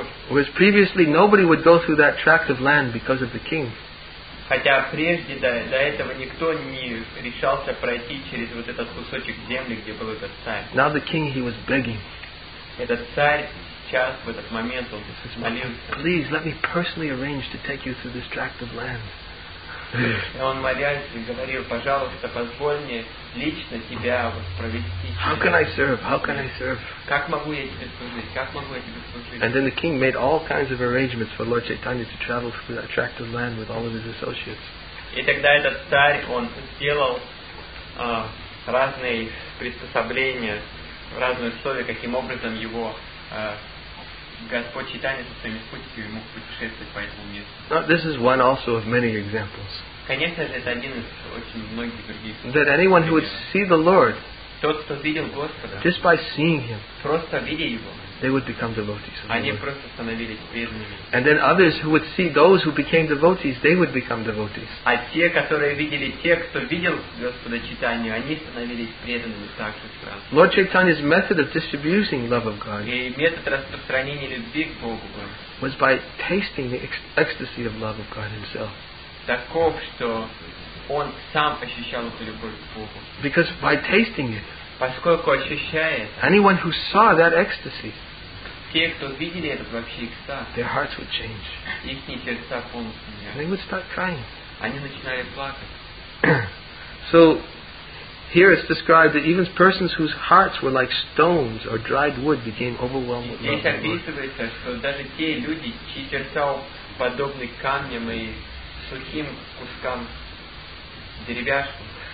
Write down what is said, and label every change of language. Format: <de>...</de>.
<en>whereas previously nobody would go through that tract of land because of the king.</en> <ru>Хотя прежде до этого никто не решался пройти через вот этот кусочек земли, где был этот царь.</ru> <en>Now the king, he was begging.</en> <ru>Этот царь сейчас в этот момент он молился.</ru> <en>Please let me personally arrange to take you through this tract of land.</en> <ru>И он молясь говорил: пожалуйста, позволь мне лично тебя провести.</ru> <en>How can I serve? How can I serve?</en> <ru>Как могу я тебе служить? Как могу я тебе служить?</ru> <en>And then the king made all kinds of arrangements for Lord Chaitanya to travel through that tract of land with all of his associates.</en> <ru>И тогда этот царь он сделал разные приспособления, разные условия, каким образом его Господь Читания со своими спутниками мог путешествовать по этому месту.</ru> <en>This is one also of many examples.</en> <ru>Конечно же, это один из очень многих других.</ru> <en>That anyone who would see the Lord,</en> <ru>тот, кто видел Господа,</ru> <en>just by seeing Him,</en> <ru>просто видя Его,</ru> <en>they would become devotees.</en> <ru>Они просто становились преданными.</ru> <en>And then others who would see those who became devotees, they would become devotees.</en> <ru>А те, которые видели те, кто видел Господа Читания, они становились преданными также сразу.</ru> <en>Lord Chaitanya's method of distributing love of God,</en> <ru>и метод распространения любви к Богу,</ru> <en>was by tasting the ecstasy of love of God Himself.</en> <ru>Таков, что он сам ощущал эту любовь к Богу.</ru> <en>Because by tasting it,</en> <ru>поскольку ощущает,</ru> <en>anyone who saw that ecstasy,</en> <ru>те, кто видели этот вообще экстаз,</ru> <en>their hearts would change.</en> <ru>Ихние сердца полностью меняются.</ru> <en>They would start crying.</en> <ru>Они начинали плакать.</ru> <en>So here it's described that even persons whose hearts were like stones or dried wood became overwhelmed with love.</en> <ru>Здесь описывается, что даже те люди, чьи сердца подобны камням и сухим кускам деревяшкам,</ru>